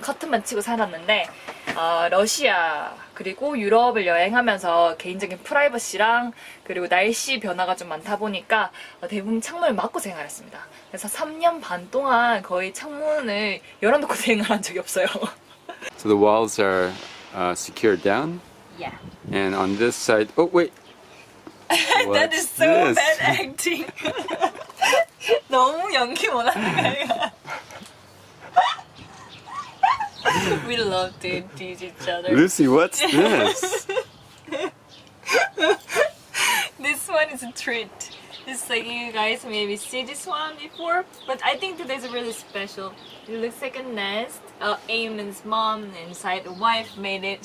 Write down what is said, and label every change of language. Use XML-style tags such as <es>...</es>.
<ko>커튼만 치고 살았는데 러시아 그리고 유럽을 여행하면서 개인적인 프라이버시랑 그리고 날씨 변화가 좀 많다 보니까 대부분 창문을 막고 생활했습니다. 그래서 3년 반 동안 거의 창문을 열어놓고 생활한 적이 없어요.</ko> <en>So the walls are secured down? Yeah. And on this side, oh wait! That is so bad acting.</en> <ko>너무 연기 못하는 거 아니야?</ko> <en>We love to tease each other. Lucy, what's this? This one is a treat. It's like you guys maybe see this one before, but I think today is really special. It looks like a nest. Eamon's mom inside the wife made it.</en>